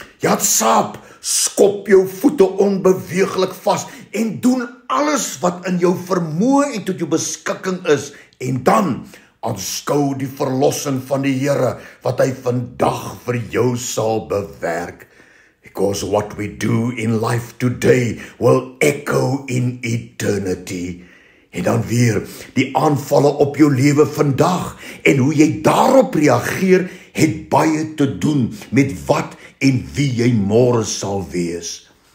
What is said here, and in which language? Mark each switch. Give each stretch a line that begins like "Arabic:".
Afrikaans: Yatsab, skop jou voete onbeweeglik vas en doen alles wat in jou vermoë en tot jou beskikking is en dan aanskou die verlossing van die Here wat hy vandag vir jou sal bewerk.
English: Because what we do in life today will echo in eternity.
Afrikaans: En dan weer, die aanvalle op jou lewe vandag en hoe jy daarop reageer het baie te doen met wat en wie jy môre sal wees.